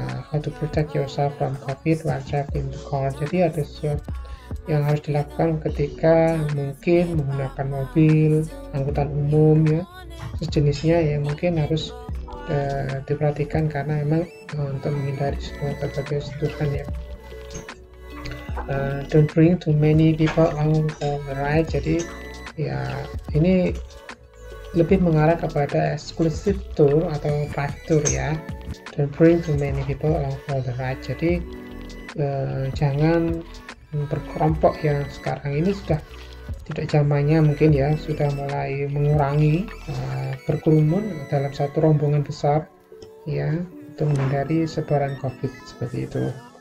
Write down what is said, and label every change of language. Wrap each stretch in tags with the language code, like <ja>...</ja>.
<en>How to protect yourself from COVID while traveling to car.</en> <id>Jadi ada sesuatu yang harus dilakukan ketika mungkin menggunakan mobil, angkutan umum ya, sejenisnya yang mungkin harus diperhatikan karena memang untuk menghindari semua berbagai situasi ya.</id> <en>Don't bring too many people along for the ride.</en> <id>Jadi ya ini lebih mengarah kepada exclusive tour atau private tour ya.</id> <en>Don't bring too many people along for the ride.</en> <id>Jadi jangan berkelompok ya, sekarang ini sudah tidak zamannya mungkin ya, sudah mulai mengurangi berkerumun dalam satu rombongan besar ya, untuk menghindari sebaran COVID seperti itu.</id>